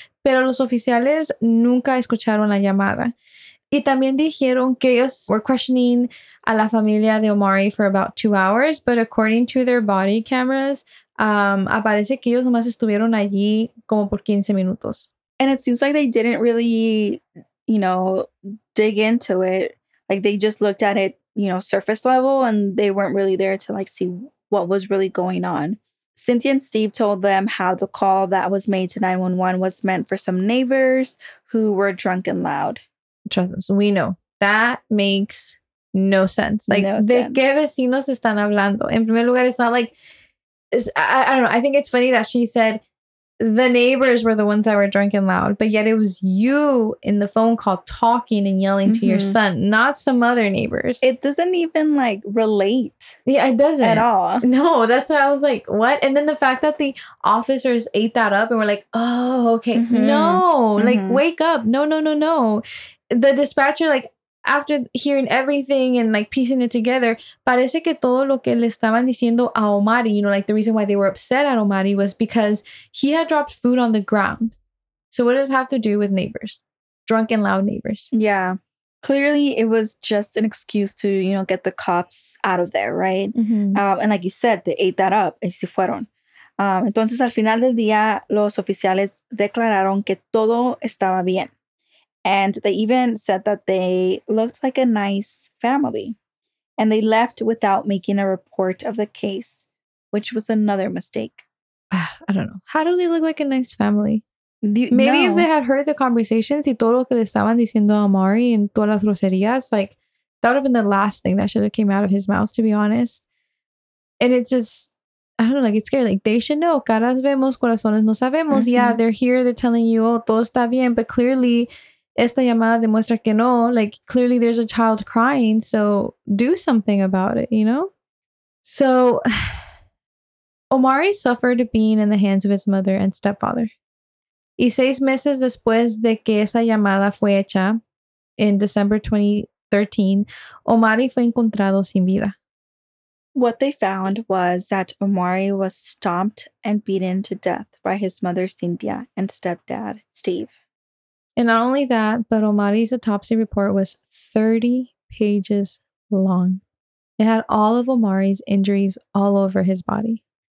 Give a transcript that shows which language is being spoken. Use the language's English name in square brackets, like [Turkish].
[Spanish] Pero los oficiales nunca escucharon la llamada. Y también dijeron que ellos were questioning a la familia de Omari for about 2 hours. But according to their body cameras, aparece que ellos nomás estuvieron allí como por 15 minutos. [English] And it seems like they didn't really, you know, dig into it. Like, they just looked at it, you know, surface level, and they weren't really there to, like, see what was really going on. Cynthia and Steve told them how the call that was made to 911 was meant for some neighbors who were drunk and loud. Trust us, we know. That makes no sense. [Spanish] Like, ¿de qué vecinos están hablando? [English] En primer lugar, it's not like, I don't know, I think it's funny that she said the neighbors were the ones that were drunk and loud, but yet it was you in the phone call talking and yelling mm-hmm. to your son, not some other neighbors. It doesn't even, like, relate. Yeah, it doesn't. At all. No, that's why I was like, what? And then the fact that the officers ate that up and were like, oh, okay. Mm-hmm. No, mm-hmm. like, wake up. No, no, no, no. The dispatcher, like, after hearing everything and, like, piecing it together, parece que todo lo que le estaban diciendo a Omari, you know, like, the reason why they were upset at Omari was because he had dropped food on the ground. So what does it have to do with neighbors? Drunk and loud neighbors. Yeah. Clearly, it was just an excuse to, you know, get the cops out of there, right? Mm-hmm. And like you said, they ate that up. [Spanish] Y se fueron. Entonces, al final del día, los oficiales declararon que todo estaba bien. [English] And they even said that they looked like a nice family. And they left without making a report of the case, which was another mistake. I don't know. How do they look like a nice family? Maybe no. If they had heard the conversations y todo lo que le estaban diciendo a Omari y todas las groserías, like, that would have been the last thing that should have came out of his mouth, to be honest. And it's just, I don't know, like, it's scary. Like, they should know. Caras vemos, corazones no sabemos. Mm-hmm. Yeah, they're here. They're telling you, oh, todo está bien. But clearly, esta llamada demuestra que no, like, clearly there's a child crying, so do something about it, you know? So, Omari suffered being in the hands of his mother and stepfather. Y 6 meses después de que esa llamada fue hecha, [Spanish] in December 2013, [English] Omari fue encontrado sin vida. What they found was that Omari was stomped and beaten to death by his mother, Cynthia, and stepdad, Steve. And not only that, but Omari's autopsy report was 30 pages long. It had all of Omari's injuries all over his body.